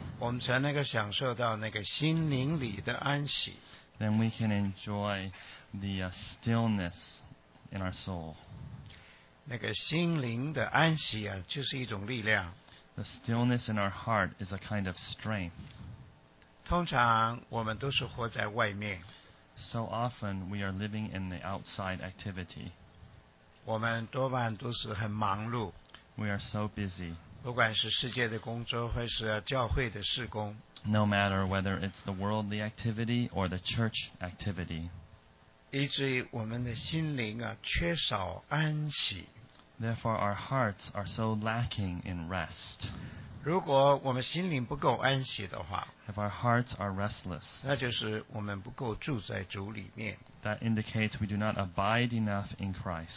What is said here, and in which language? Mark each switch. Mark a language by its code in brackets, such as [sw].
[zh] 我们才能够享受到那个心灵里的安息。 [en] Then we can enjoy the stillness in our soul. [zh] 那个心灵的安息啊，就是一种力量。 [en] The stillness in our heart is a kind of strength. [zh] 通常我们都是活在外面。 [en] So often we are living in the outside activity. [zh] 我们多半都是很忙碌。 [en] We are so busy. [zh] 不管是世界的工作，或是教会的事工。 [en] No matter whether it's the worldly activity or the church activity. [zh] 以至于我们的心灵啊，缺少安息。 [en] Therefore, our hearts are so lacking in rest. [zh] 如果我们心灵不够安息的话， [en] If our hearts are restless, [zh] 那就是我们不够住在主里面。 [en] That indicates we do not abide enough in Christ.